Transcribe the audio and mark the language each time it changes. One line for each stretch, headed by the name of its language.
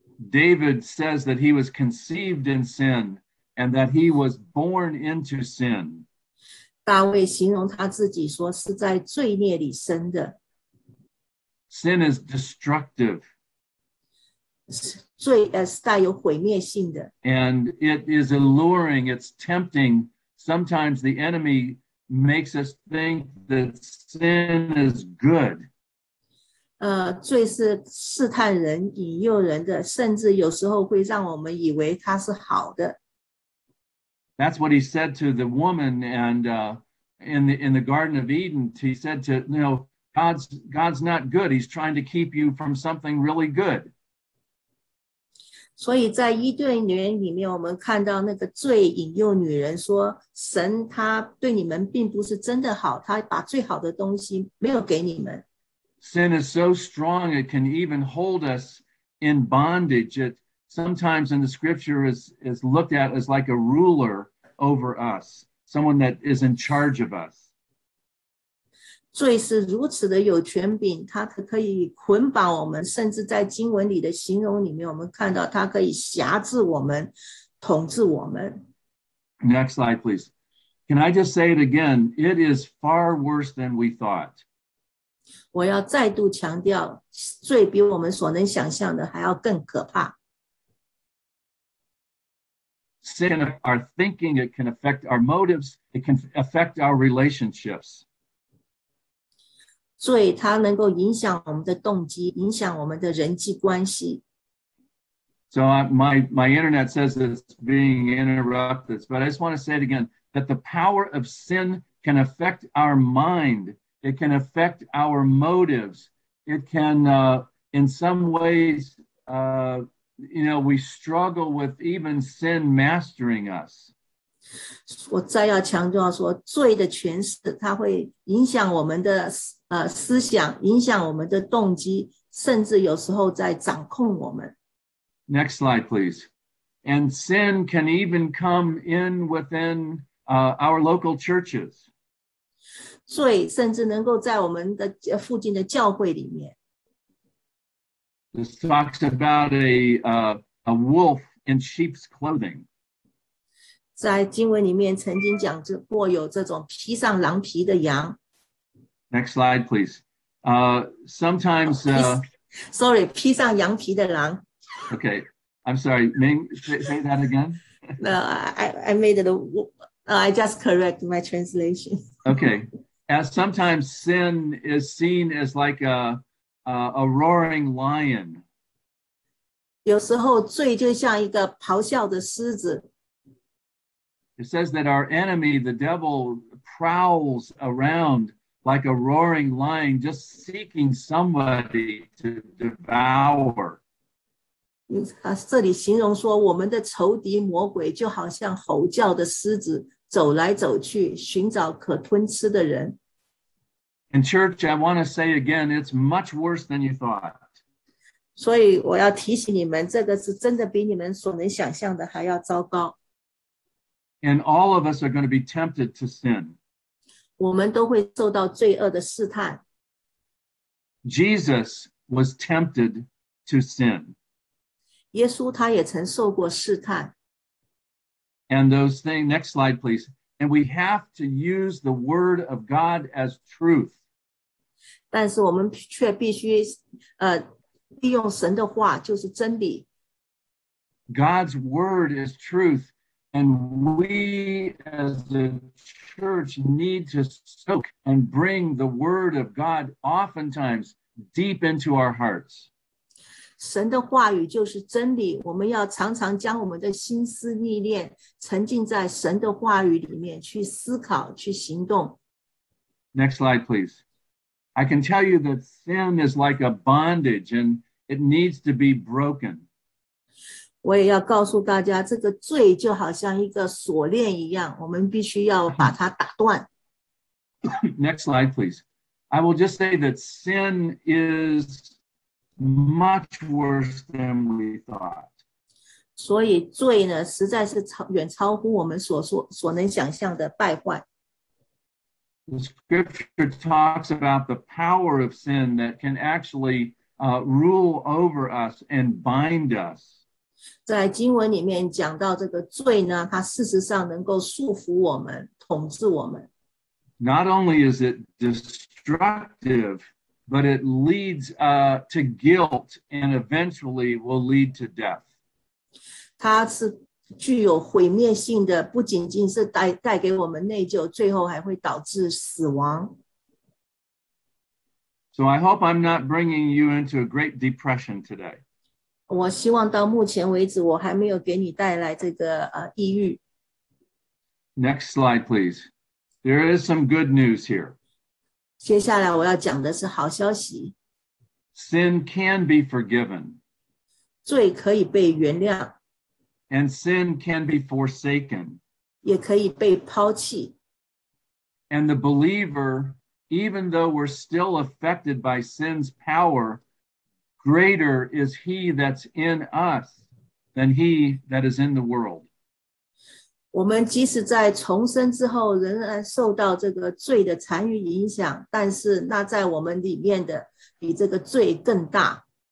English: David says that he was conceived in sin. And that he was born into sin.
Chinese: 大卫形容他自己说是在罪孽里生的。
English: Sin is destructive.
Chinese: 罪是带有毁灭性的。
English: And it is alluring, it's tempting. Sometimes the enemy makes us think that sin is good.
Chinese: 罪是试探人、引诱人的，甚至有时候会让我们以为它是好的。
English: That's what he said to the woman and in the Garden of Eden. He said to, you know, God's not good. He's trying to keep you from something really good.
Chinese: 所以在伊甸园里面我们看到那个罪引诱女人说神他对你们并不是真的好他把最好的东西没有给你们
English: Sin is so strong it can even hold us in bondage it sometimes in the scripture is looked at as like a ruler over us someone that is in charge of us
Chinese: 罪是如此的有权柄他可以捆绑我们甚至在经文里的形容里面我们看到他可以辖制我们统治我们
English: Next slide please Can I just say it again it is far worse than we thought
Chinese: 我要再度强调罪比我们所能想象的还要更可怕
English: Sin of our thinking, it can affect our motives, it can affect our relationships.
Chinese: 罪它能够影响我们的动机，影响我们的人际关系。
English: So my internet says it's being interrupted, but I just want to say it again, that the power of sin can affect our mind, it can affect our motives, it can in some ways... You know, we struggle with even sin mastering us.
Chinese: 我再要强调说，罪的权势，它会影响我们的思想，影响我们的动机，甚至有时候在掌控我们。
English: Next slide, please. And sin can even come in within our local churches.
Chinese: 罪甚至能够在我们的附近的教会里面。
English: This talks about a wolf in sheep's clothing.
Chinese: 在经文里面曾经讲过有这种披上狼皮的羊。
English: Next slide, please. Sometimes... Sorry,
Chinese: 披上羊皮的狼。
English: Okay, I'm sorry. Ming, say that again? No, I made it a... I just correct my translation. Okay. As sometimes sin is seen as like a roaring lion.
Chinese: 有时候罪就像一个咆哮的狮子。
English: It says that our enemy, the devil, prowls around like a roaring lion, just seeking somebody to devour.
Chinese: 这里形容说我们的仇敌魔鬼就好像吼叫的狮子走来走去寻找可吞吃的人。
English: In church, I want to say again, it's much worse than you thought.
Chinese: 所以我要提醒你们，这个是真的比你们所能想象的还要糟糕。
English: And all of us are going to be tempted to sin.
Chinese: 我们都会受到罪恶的试探。
English: Jesus was tempted to sin.
Chinese: 耶稣他也曾受过试探。
English: And those things, next slide please. And we have to use the word of God as truth.
Chinese: 但是我们却必须利用神的话就是真理。
English: God's word is truth, and we as the church need to soak and bring the word of God oftentimes deep into our hearts.
Chinese: 神的话语就是真理，我们要常常将我们的心思意念沉浸在神的话语里面去思考，去行动。
English: Next slide, please. I can tell you that sin is like a bondage and it needs to be broken.
Chinese: 我也要告诉大家，这个罪就好像一个锁链一样，我们必须要把它打断。
English: Next slide, please. I will just say that sin is... much worse than we thought.
Chinese: 所以罪呢实在是远超乎我们所能想象的败坏。
English: The scripture talks about the power of sin that can actually rule over us and bind us.
Chinese: 在经文里面讲到这个罪呢它事实上能够束缚我们统治我们。
English: Not only is it destructive,But it leads to guilt and eventually will lead to death.
Chinese: 它是具有毁灭性的，不仅仅是带给我们内疚，最后还会导致死亡。
English: So I hope I'm not bringing you into a great depression today.
Chinese: 我希望到目前为止，我还没有给你带来这个抑郁。
English: Next slide, please. There is some good news here.
Chinese: 接下来我要讲的是好消息。
English: Sin can be forgiven.
Chinese: 罪可以被原谅。
English: And sin can be forsaken.
Chinese: 也可以被抛弃。
English: And the believer, even though we're still affected by sin's power, greater is he that's in us than he that is in the world.
Chinese: 我们即使在重生之后仍然受到这个罪的残余影响，但是那在我们里面的比这个罪更大。